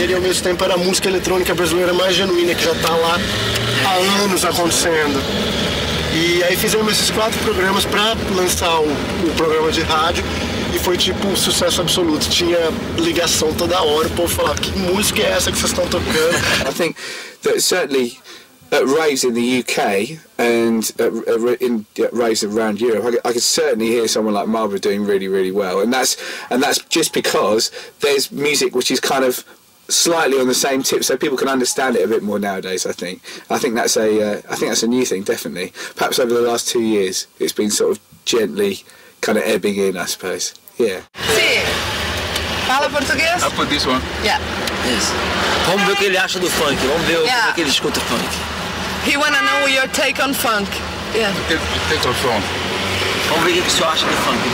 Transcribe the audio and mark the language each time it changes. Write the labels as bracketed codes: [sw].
[pt] Ele, ao mesmo tempo, era a música eletrônica brasileira mais genuína, que já está lá há anos acontecendo. E aí fizemos esses quatro programas para lançar o programa de rádio. E foi tipo um sucesso absoluto. Tinha ligação toda hora, o povo falava, que música é essa que vocês estão tocando? [en] I think that certainly at raves in the UK and at raves around Europe, I could certainly hear someone like Marlborough doing really, really well. And that's just because there's music which is kind of slightly on the same tip, so people can understand it a bit more nowadays. I think that's a new thing, definitely. Perhaps over the last 2 years, it's been sort of gently kind of ebbing in, I suppose. Yeah. [pt] Sim. Fala português? [en] I put this one. Yeah. Yes. [pt] Vamos ver o que ele acha do funk. Vamos ver como é que ele escuta funk. [en] He wanna know your take on funk. Yeah. Take on funk. [pt] Vamos ver o que você acha do funk.